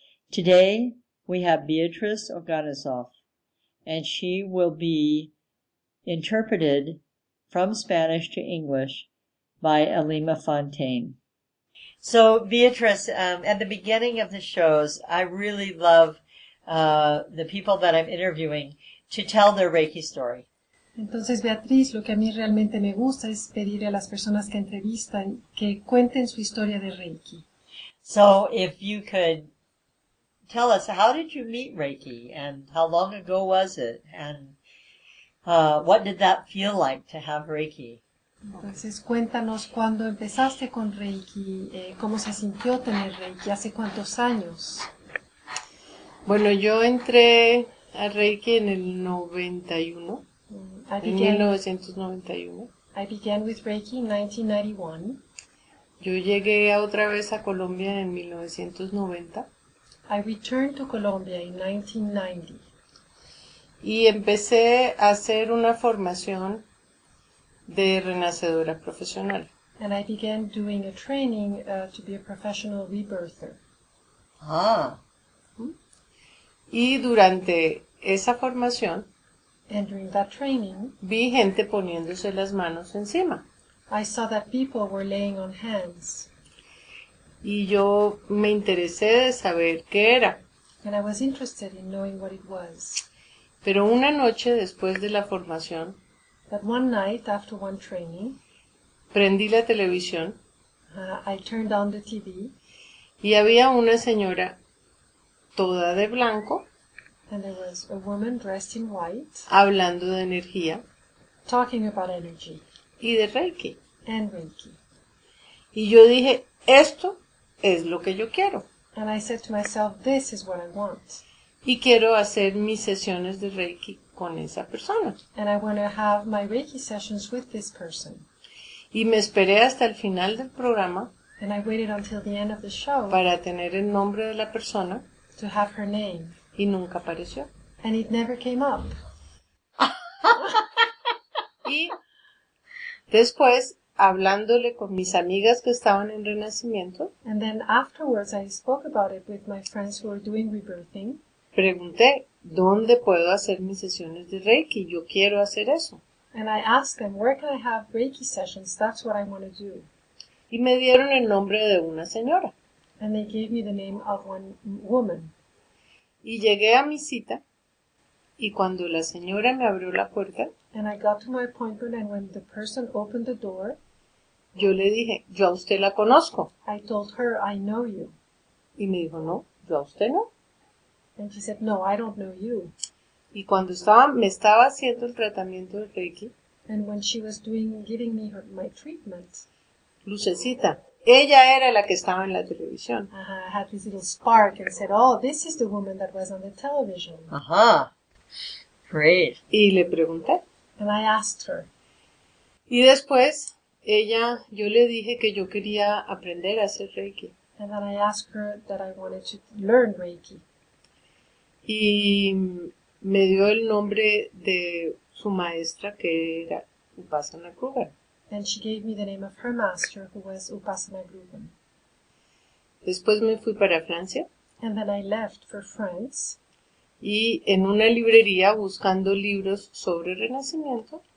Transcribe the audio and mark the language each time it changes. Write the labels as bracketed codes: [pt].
[en] Today, we have Beatrice Oganisoff, and she will be interpreted from Spanish to English by Alima Fontaine. So, Beatrice, at the beginning of the shows, I really love the people that I'm interviewing to tell their Reiki story. [es] Entonces, Beatriz, lo que a mí realmente me gusta es pedirle a las personas que entrevistan que cuenten su historia de Reiki. [en] So, if you could tell us, how did you meet Reiki, and how long ago was it, and what did that feel like to have Reiki? [es] Entonces, cuéntanos cuándo empezaste con Reiki, cómo se sintió tener Reiki, hace cuántos años. Bueno, yo entré a Reiki en el 91. [en] I began with Reiki in 1991. [es] Yo llegué otra vez a Colombia en 1990. [en] I returned to Colombia in 1990. [es] Y empecé a hacer una formación de renacedora profesional. [en] And I began doing a training to be a professional rebirther. Ah. [es] Y durante esa formación, [en] and during that training, [es] vi gente poniéndose las manos encima. [en] I saw that people were laying on hands. [es] Y yo me interesé de saber qué era. [en] And I was interested in knowing what it was. [es] Pero una noche después de la formación, [en] but one night after one training, [es] prendí la televisión. [en] I turned on the TV. [es] Y había una señora toda de blanco. [en] And there was a woman dressed in white, [es] hablando de energía, [en] talking about energy, [es] y de Reiki. [en] And Reiki. [es] Y yo dije, esto es lo que yo quiero. [en] And I said to myself, this is what I want. [es] Y quiero hacer mis sesiones de Reiki con esa persona. [en] And I want to have my Reiki sessions with this person. [es] Y me esperé hasta el final del programa, [en] and I waited until the end of the show, [es] para tener el nombre de la persona, [en] to have her name. [es] Y nunca apareció. [en] And it never came up. [es] Y después, hablándole con mis amigas que estaban en Renacimiento, [en] and then afterwards I spoke about it with my friends who were doing rebirthing. [es] Pregunté, ¿dónde puedo hacer mis sesiones de Reiki? Yo quiero hacer eso. [en] And I asked them, where can I have Reiki sessions? That's what I want to do. [es] Y me dieron el nombre de una señora. [en] And they gave me the name of one woman. [es] Y llegué a mi cita, y cuando la señora me abrió la puerta, [en] and I got to my appointment, and when the person opened the door, [es] yo le dije, yo a usted la conozco. [en] I told her, I know you. [es] Y me dijo, no, yo a usted no. [en] And she said, no, I don't know you. [es] Y cuando estaba, me estaba haciendo el tratamiento de Reiki, [en] and when she was doing, giving me her, my treatment, [es] Lucecita. Ella era la que estaba en la televisión. [en] I had this little spark and said, oh, this is the woman that was on the television. Ajá. Great. [es] Y le pregunté. [en] And I asked her. [es] Y después, ella, yo le dije que yo quería aprender a hacer Reiki. [en] And then I asked her that I wanted to learn Reiki. [es] Y me dio el nombre de su maestra, que era Upasana Kruger. [en] And she gave me the name of her master, who was Upasana Gruben. [es] Después me fui para Francia. [en] And then I left for France. [es] Y en una librería buscando libros sobre renacimiento.